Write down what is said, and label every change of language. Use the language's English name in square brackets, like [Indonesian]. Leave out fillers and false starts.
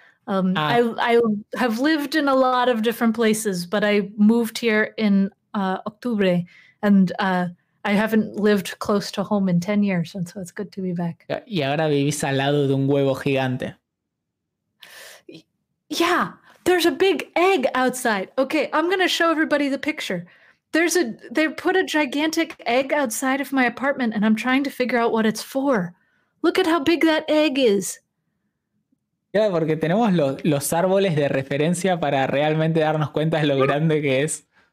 [English] I have lived in a lot of different places, but I moved here in October, and I haven't lived close to home in 10 years, and so it's good to be back. [Spanish] Y ahora vivís al lado de un huevo gigante. [English] Yeah, there's a big egg outside. Okay, I'm going to show everybody the picture. They put a gigantic egg outside of my apartment, and I'm trying to figure out what it's for. Look at how big that egg is. [Spanish] Claro, porque tenemos los árboles de referencia para realmente darnos cuenta de lo grande que es.